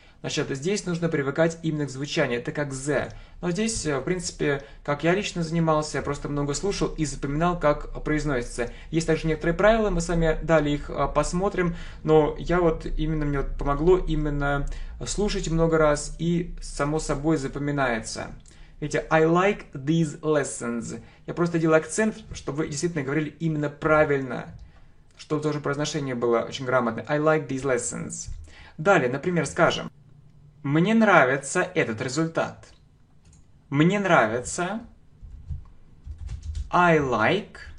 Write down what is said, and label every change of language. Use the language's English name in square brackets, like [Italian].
[Russian] Значит, здесь нужно привыкать именно к звучанию, это как «з». Но здесь, в принципе, как я лично занимался, я просто много слушал и запоминал, как произносится. Есть также некоторые правила, мы с вами далее их посмотрим, но я вот именно, мне вот помогло именно слушать много раз и само собой запоминается. Видите, [English] I like these lessons. [Russian] Я просто делаю акцент, чтобы вы действительно говорили именно правильно, чтобы тоже произношение было очень грамотное. [English] I like these lessons. [Russian] Далее, например, скажем. Мне нравится этот результат. Мне нравится. [English] I like